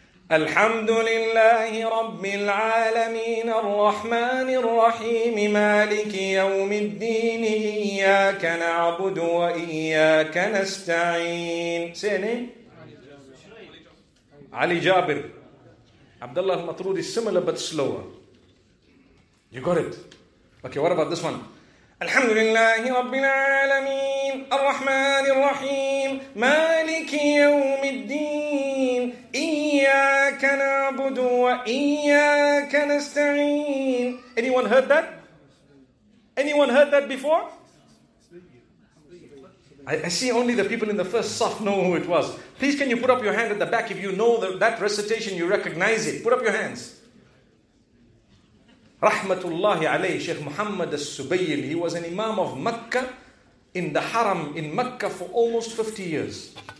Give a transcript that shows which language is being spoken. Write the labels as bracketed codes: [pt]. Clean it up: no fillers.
[ar] الحمد لله رب العالمين الرحمن الرحيم مالك يوم الدين إياك نعبد وإياك نستعين. [en] Say your name. Ali Jabir. Abdullah al-Matrud is similar but slower. You got it. Okay, what about this one? [ar] الحمد لله رب العالمين الرحمن الرحيم مالك يوم الدين إياك نعبد وإياك نستعين. [en] Anyone heard that? Anyone heard that before? I see only the people in the first saf know who it was. Please, can you put up your hand at the back if you know that recitation, you recognize it. Put up your hands. Rahmatullahi alayhi, Sheikh Muhammad al-Subayl. He was an imam of Makkah, in the haram in Makkah for almost 50 years.